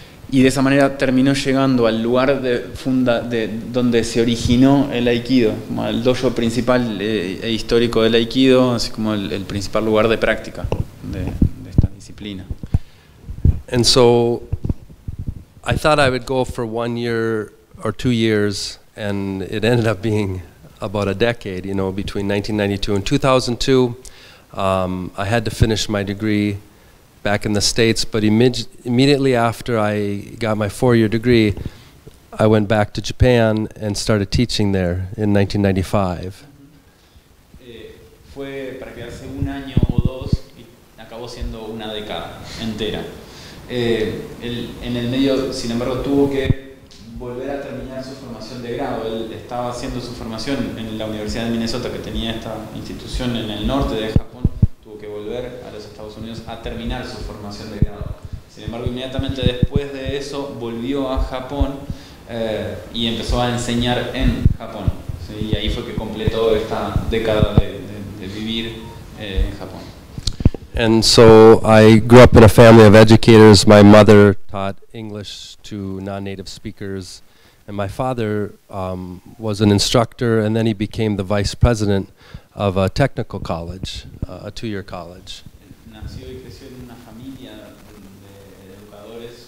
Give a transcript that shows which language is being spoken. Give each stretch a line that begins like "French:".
Spanish: Y de esa manera terminó llegando al lugar de donde se originó el Aikido, como el dojo principal e histórico del Aikido, así como el principal lugar de práctica de esta disciplina.
English: And so I thought I would go for 1 year or 2 years, and it ended up being about a decade, you know, between 1992 and 2002. I had to finish my degree back in the States, but immediately after I got my 4-year degree, I went back to Japan and started teaching there in 1995.
Spanish: Fue para quedarse un año o dos y acabó siendo una década entera. En el medio, sin embargo, tuvo que volver a terminar su formación de grado. Él estaba haciendo su formación en la Universidad de Minnesota, que tenía esta institución en el norte de Japón. Que volver a los Estados Unidos a terminar su formación de grado. Sin embargo, inmediatamente después de eso volvió a Japón y empezó a enseñar en Japón. ¿Sí? Y ahí fue que completó esta década de vivir en Japón.
English: And so I grew up in a family of educators. My mother taught English to non-native speakers, and my father was an instructor, and then he became the vice president of a technical college, a 2-year college.
Spanish: Nació y creció en una familia de educadores.